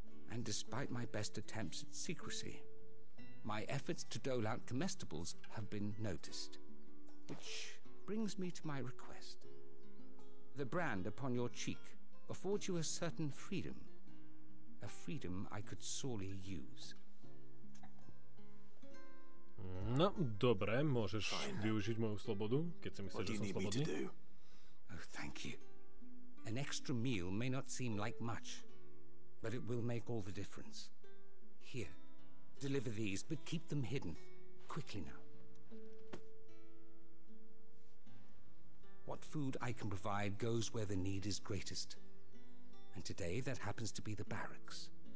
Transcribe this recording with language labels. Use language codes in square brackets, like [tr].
[en] And despite my best attempts at secrecy, my efforts to dole out comestibles have been noticed. Which brings me to my request. The brand upon your cheek affords you a certain freedom, a freedom I could sorely use. [sk] No, dobre, môžeš využiť moju slobodu, keď si myslíš, že som slobodný. [en] Oh, thank you. An extra meal may not seem like much, but it will make all the difference. Here, deliver these, but keep them hidden. Quickly now. What food I can provide goes where the need is greatest. And today that happens to be the barracks.